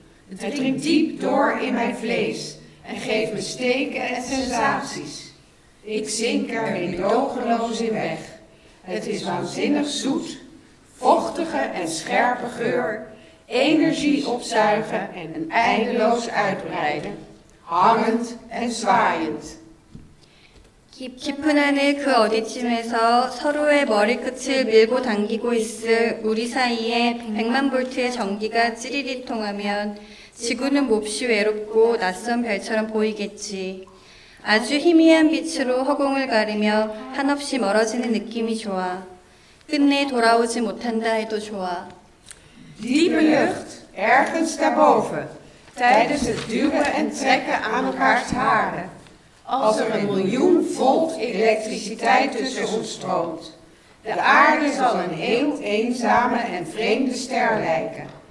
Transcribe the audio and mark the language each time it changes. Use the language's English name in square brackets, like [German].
[Dutch] Het dringt diep door in mijn vlees en geeft me steken en sensaties. Ik zink er meedogenloos in weg. Het is waanzinnig zoet, vochtige en scherpe geur, energie opzuigen en eindeloos uitbreiden, hangend en zwaaiend. [Korean] 깊은 하늘 그 어디쯤에서 서로의 머리끝을 밀고 당기고 있을 우리 사이에 100만 볼트의 전기가 찌릿이 통하면 지구는 몹시 외롭고 낯선 별처럼 보이겠지. 아주 희미한 빛으로 허공을 가리며 한없이 멀어지는 느낌이 좋아. 끝내 돌아오지 못한다 해도 좋아. [Dutch] Diepe lucht, ergens daarboven, tijdens het duwen en trekken aan elkaars haren. Als er een miljoen volt elektriciteit tussen ons stroomt. De aarde zal een heel eenzame en vreemde ster lijken.